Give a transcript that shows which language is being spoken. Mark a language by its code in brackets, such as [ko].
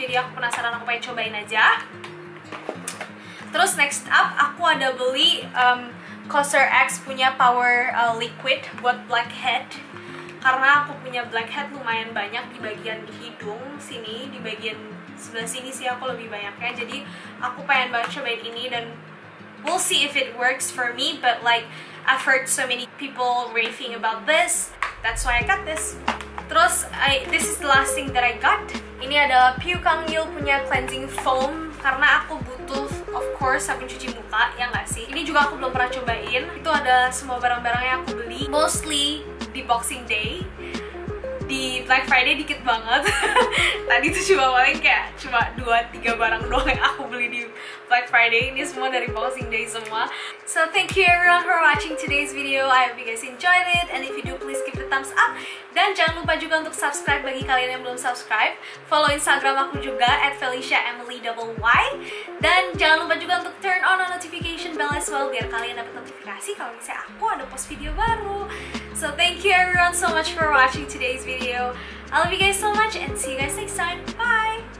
[id] Jadi aku penasaran, aku pengen cobain aja. Terus next up, aku ada beli COSRX punya Power Liquid buat blackhead. Karena aku punya blackhead lumayan banyak di bagian hidung sini, di bagian sebelah sini sih aku lebih banyaknya. Jadi aku pengen banget cobain ini dan [en] we'll see if it works for me. But like, I've heard so many people raving about this. That's why I got this. Terus, this is the last thing that I got. [id] Ini adalah Piu Kang Il punya cleansing foam. Karena aku butuh, of course, sabun cuci muka, ya nggak sih? Ini juga aku belum pernah cobain. Itu ada semua barang-barang yang aku beli. Mostly di Boxing Day. Di Black Friday dikit banget. Tadi tuh cuma paling kayak cuma 2-3 barang doang yang aku beli di Black Friday. Ini semua dari Boxing Day semua. [en] So thank you everyone for watching today's video. I hope you guys enjoyed it. And if you do, please give the thumbs up. [id] Dan jangan lupa juga untuk subscribe bagi kalian yang belum subscribe. Follow Instagram aku juga @FeliciaEmily. Dan jangan lupa juga untuk [en] turn on the notification bell as well, [id] biar kalian dapat notifikasi kalau misalnya aku ada post video baru. [en] So thank you everyone so much for watching today's video. I love you guys so much and see you guys next time. Bye!